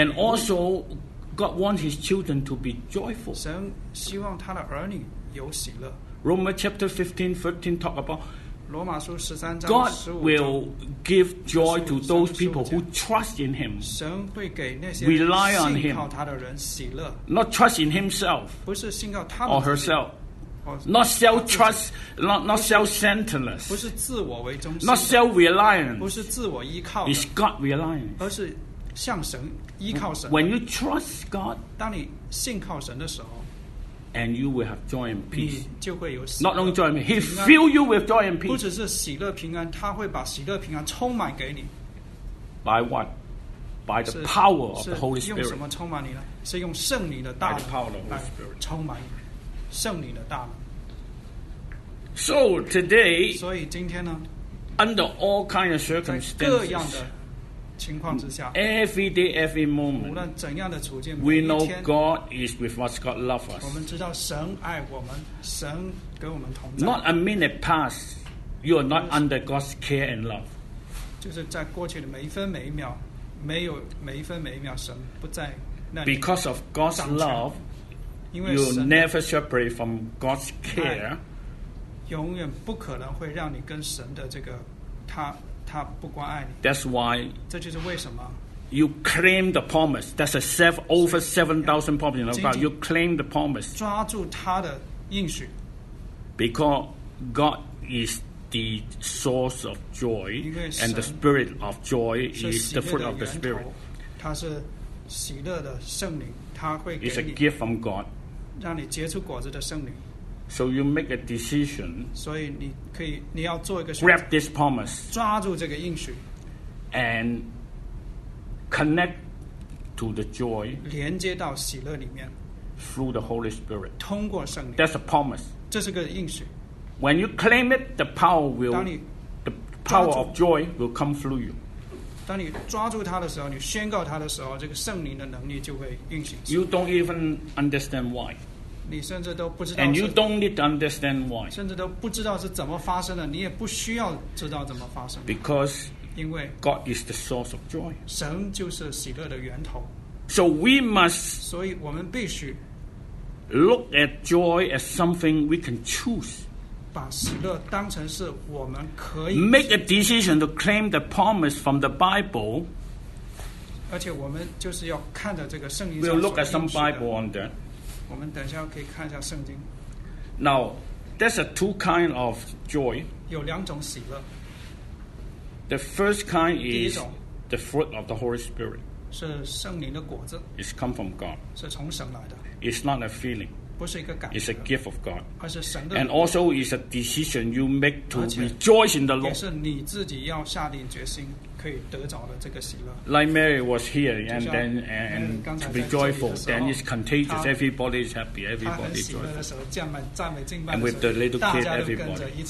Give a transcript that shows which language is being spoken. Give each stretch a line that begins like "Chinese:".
English: And also, God wants His children to be joyful.
Chinese: 神希望他的儿女有喜乐。
English: Romans chapter 15, 13 talk about
Chinese: 罗马书十三章十五章
English: God will give joy to those people who trust in Him.
Chinese: 神会给那些
English: rely on Him,
Chinese: 信靠他的人喜乐
English: not trust in Himself,
Chinese: 不是信靠他
English: or herself, not self-trust, not self-centeredness,
Chinese: 不是自我为中心
English: not self-reliant,
Chinese: 不是自我依靠
English: is God-reliant,
Chinese: 而是向神依靠神
English: When you trust God,
Chinese: 当你信靠神的时候。
English: And you will have joy and peace.
Chinese: 你就会有喜乐,
English: Not only joy and peace, He fill you with joy and peace.
Chinese: 不只是喜乐平安，他会把喜乐平安充满给你。
English: By what? By the power of the Holy Spirit.
Chinese: 是用什么充满你呢？是用圣灵的大能。
English: By the power of the Holy Spirit.
Chinese: 充满你，圣灵的大能。
English: So today,
Chinese: 所以今天呢
English: ，under all kinds of circumstances,
Chinese: 各样的情况之下
English: every day, every moment,
Chinese: 无论怎样的处境
English: we know God is with us, God loves us.
Chinese: 我们知道神爱我们，神跟我们同在。
English: Not a minute pass, you are not under God's care and love.
Chinese: 就是在过去的每一分每一秒，没有每一分每一秒，神不在那里。
English: Because of God's love, you never separate from God's care.
Chinese: 永远不可能会让你跟神的这个他他不关爱你。
English: That's why.
Chinese: 这就是为什么。
English: You claim the promise. That's a over 7,000 promises in the Bible. You claim the promise.
Chinese: 抓住他的应许。
English: Because God is the source of joy, and the spirit of joy is the fruit of the spirit.
Chinese: 他是喜乐的圣灵，他会给你。
English: It's a gift from God.
Chinese: 让你结出果子的圣灵。
English: So you make a decision.
Chinese: 所以你可以，你要做一个选择。
English: Grab this promise.
Chinese: 抓住这个应许。
English: And connect to the joy.
Chinese: 连接到喜乐里面。
English: Through the Holy Spirit.
Chinese: 通过圣灵。
English: That's a promise.
Chinese: 这是个应许。
English: When you claim it, the power will. The power of joy will come through you.
Chinese: 当你抓住它的时候，你宣告它的时候，这个圣灵的能力就会运行。
English: You don't even understand why.
Chinese: 你甚至都不知道。
English: And you don't need to understand why.
Chinese: 甚至都不知道是怎么发生的，你也不需要知道怎么发生。
English: Because,
Chinese: 因为
English: God is the source of joy.
Chinese: 神就是喜乐的源头。
English: So we must.
Chinese: 所以我们必须
English: look at joy as something we can choose.
Chinese: 把喜乐当成是我们可以。
English: Make a decision to claim the promise from the Bible.
Chinese: 而且我们就是要看着这个圣经。
English: We'll look at some Bible on that.
Chinese: 我们等一下可以看一下圣经。
English: Now, there's a two kind of joy.
Chinese: 有两种喜乐。
English: The first kind is the fruit of the Holy Spirit.
Chinese: 是圣灵的果子。
English: It's come from God.
Chinese: 是从神来的。
English: It's not a feeling.
Chinese: 不是一个感觉。
English: It's a gift of God.
Chinese: 而是神的。
English: And also, it's a decision you make to rejoice in the Lord.
Chinese: 也是你自己要下定决心可以得着的这个喜乐。
English: Like Mary was here and then and to be joyful, then it's contagious. Everybody is happy. Everybody is joyful. And with the little kid, everybody.